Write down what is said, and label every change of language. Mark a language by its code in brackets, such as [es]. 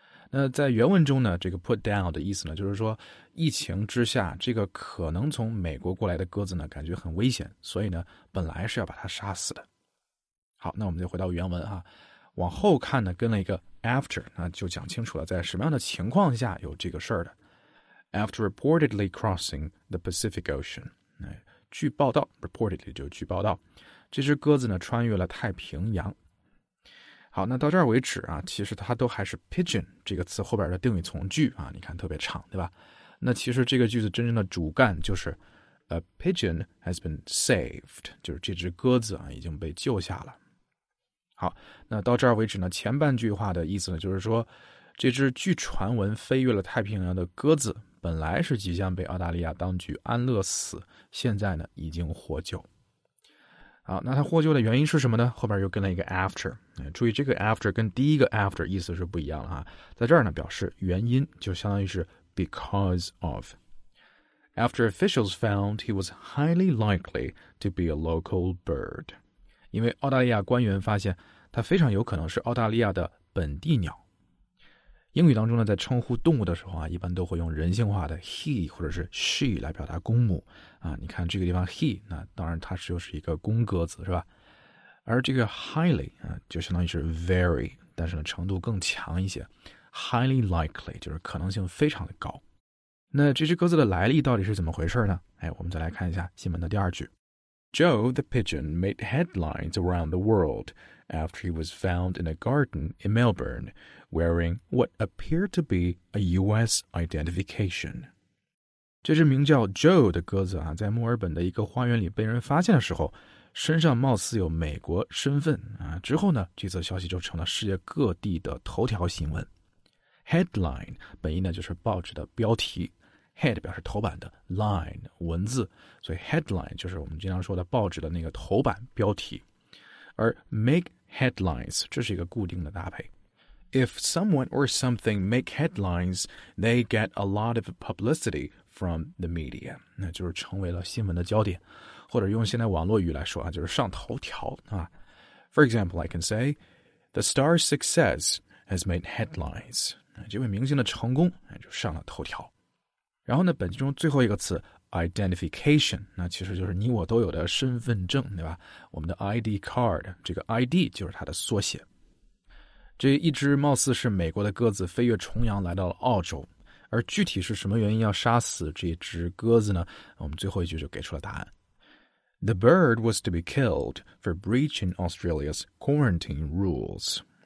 [zh] 那在原文中呢，这个 [en] put down [zh] 的意思呢就是说疫情之下这个可能从美国过来的鸽子呢感觉很危险，所以呢本来是要把它杀死的。好，那我们就回到原文啊，往后看呢跟了一个 after， 那就讲清楚了在什么样的情况下有这个事儿的。 [en] After reportedly crossing the Pacific Ocean, [zh] 据报道 ,reportedly 就据报道，这只鸽子呢穿越了太平洋。好，那到这儿为止啊，其实它都还是 pigeon 这个词后边的定语从句啊，你看特别长对吧，那其实这个句子真正的主干就是 [en] a pigeon has been saved， [zh] 就是这只鸽子啊已经被救下了。好，那到这儿为止呢，前半句话的意思呢就是说这只据传闻飞越了太平洋的鸽子本来是即将被澳大利亚当局安乐死，现在呢已经获救。好，那它获救的原因是什么呢？后边又跟了一个 after， 注意这个 after 跟第一个 after 意思是不一样的哈，在这儿呢表示原因，就相当于是 [en] because of。 After officials found he was highly likely to be a local bird. [zh] 因为澳大利亚官员发现他非常有可能是澳大利亚的本地鸟。英语当中呢，在称呼动物的时候啊，一般都会用人性化的 he 或者是 she 来表达公母。啊，你看这个地方 he， 那当然它就是一个公鸽子，是吧？而这个 highly 啊，就相当于是 very， 但是呢程度更强一些。 [en] Highly likely [zh] 就是可能性非常的高。那这只鸽子的来历到底是怎么回事呢？哎，我们再来看一下新闻的第二句。 [en] Joe the pigeon made headlines around the world after he was found in a garden in Melbourne wearing what appeared to be a US identification. [zh] 这只名叫 Joe 的鸽子啊，在墨尔本的一个花园里被人发现的时候，身上貌似有美国身份啊。之后呢，这则消息就成了世界各地的头条新闻。 Headline 本意呢就是报纸的标题， Head 表示头版的， Line 文字，所以 Headline 就是我们经常说的报纸的那个头版标题。而 [en] Make headlines [zh] 这是一个固定的搭配， [en] If someone or something make headlines they get a lot of publicity from the media， [zh] 那就是成为了新闻的焦点，或者用现在网络语来说啊，就是上头条啊。 [en] For example I can say The star's success has made headlines [zh] 这位明星的成功就上了头条。然后呢，本期中最后一个词 identification， 那其实就是你我都有的身份证，对吧？我们的 [en] ID card， [zh] 这个 ID 就是它的缩写。这一只貌似是美国的鸽子飞越重洋来到了澳洲，而具体是什么原因要杀死这只鸽子呢？我们最后一句就给出了答案。 [en] The bird was to be killed for breaching Australia's quarantine rules.